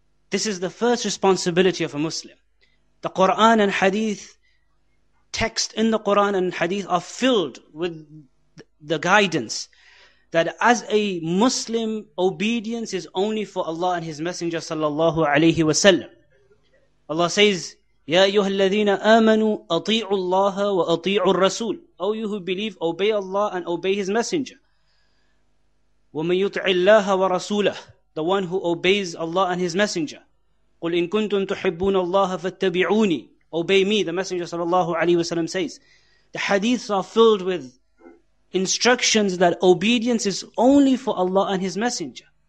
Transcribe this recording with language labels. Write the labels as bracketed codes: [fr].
[en] This is the first responsibility of a Muslim. The Quran and Hadith, text in the Quran and Hadith are filled with the guidance that as a Muslim, obedience is only for Allah and His Messenger sallallahu alayhi wa sallam. Allah says, [ar] يَا أَيُّهَا الَّذِينَ آمَنُوا أَطِيعُوا اللَّهَ وَأَطِيعُوا الرَّسُولَ. [en] O you who believe, obey Allah and obey His Messenger. [ar] وَمَنْ يُطْعِ اللَّهَ وَرَسُولَهُ. [en] The one who obeys Allah and His Messenger. [ar] قُلْ إِن كُنْتُمْ تُحِبُّونَ اللَّهَ فَاتَّبِعُونِي. [en] Obey me, the Messenger sallallahu alayhi wa sallam says. The hadiths are filled with instructions that obedience is only for Allah and His Messenger.